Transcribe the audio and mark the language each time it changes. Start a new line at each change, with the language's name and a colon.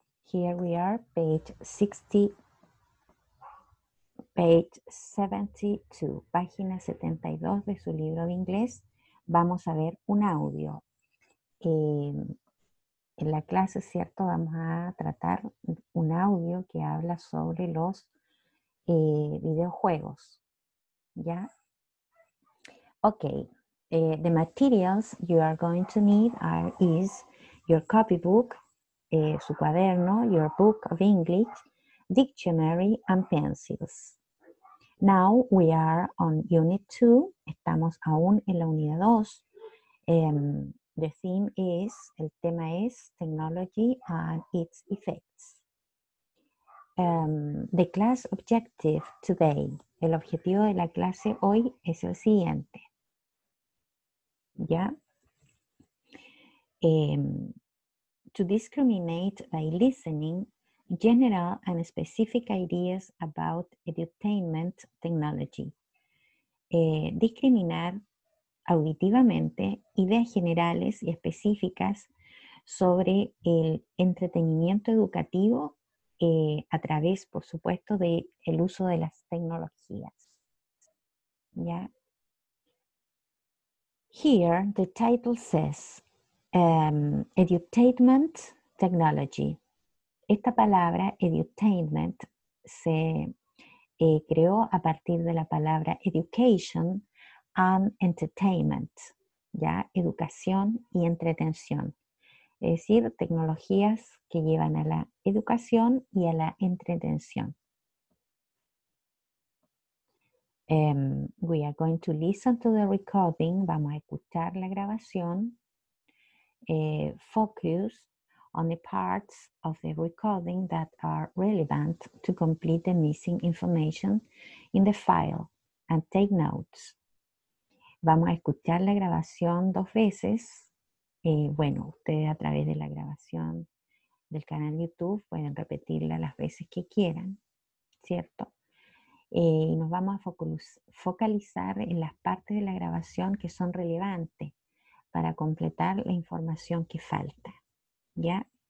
English: Here we are,
Spanish: página 72 de su libro de inglés. Vamos a ver un audio. En la clase, ¿cierto? Vamos a tratar un audio que habla sobre los videojuegos. ¿Ya? Ok.
English: The materials you are going to need is your copybook,
Spanish: su cuaderno,
English: your book of English, dictionary and pencils. Now we are on unit 2.
Spanish: Estamos aún en la unidad 2.
English: The theme is,
Spanish: el tema es
English: technology and its effects. The class objective today.
Spanish: El objetivo de la clase hoy es el siguiente. ¿Ya?
English: To discriminate by listening, general and specific ideas about edutainment technology.
Spanish: Discriminar auditivamente ideas generales y específicas sobre el entretenimiento educativo a través, por supuesto, del uso de las tecnologías. ¿Ya?
English: Here, the title says, edutainment technology.
Spanish: Esta palabra, edutainment, se creó a partir de la palabra
English: education and entertainment,
Spanish: ¿ya? Educación y entretención. Es decir, tecnologías que llevan a la educación y a la entretención.
English: We are going to listen to the recording.
Spanish: Vamos a escuchar la grabación.
English: Focus on the parts of the recording that are relevant to complete the missing information in the file and take notes.
Spanish: Vamos a escuchar la grabación dos veces. Bueno, ustedes a través de la grabación del canal YouTube pueden repetirla las veces que quieran, ¿cierto? Y nos vamos a focalizar en las partes de la grabación que son relevantes para completar la información que falta. ¿Ya?